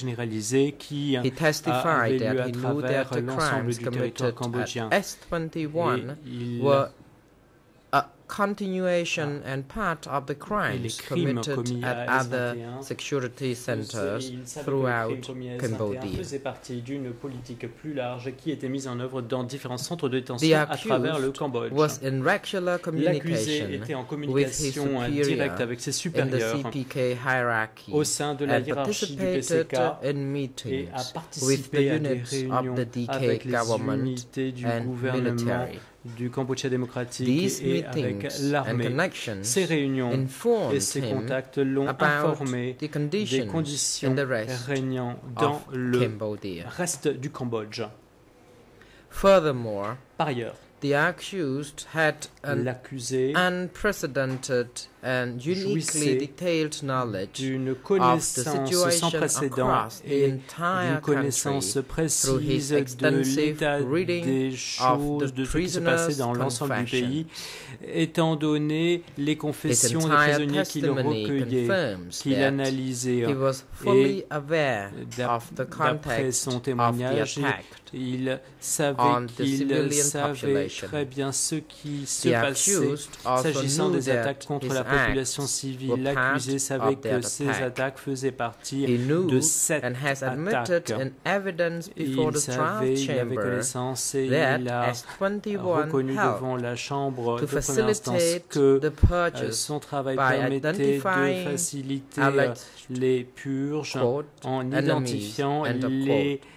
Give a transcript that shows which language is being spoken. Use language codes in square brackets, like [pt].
[en] He testified that he knew that the crimes committed at S21 were a continuation and part of the crimes committed at other security centers throughout Cambodia. [fr] Faisait partie d'une politique plus large qui était mise en œuvre dans différents centres de détention à travers le Cambodge. [en] Was in regular communication, [fr] était en communication directe avec ses supérieurs au sein de la hiérarchie du PCK [en] in meetings with the units of the DK government [fr] du [en] and [fr] gouvernement [en] military. [fr] du Cambodge démocratique et avec l'armée. Ces réunions et ces contacts l'ont informé des conditions régnant dans le reste du Cambodge. [en] Furthermore, [fr] par ailleurs, [en] the accused had an unprecedented and uniquely detailed knowledge of the situation across the entire country through his extensive reading of the prisoners' confessions. [fr] Étant donné les confessions des prisonniers qu'il recueillait, qu'il analysait, [en] he was fully aware of the context of the attack. [fr] Il savait qu'il savait très bien ce qui se passait s'agissant des attaques contre la population civile. L'accusé savait que ces attaques faisaient partie de cette attaque. Il savait, il avait connaissance et il a reconnu devant la chambre de première instance que son travail permettait de faciliter les purges en identifiant les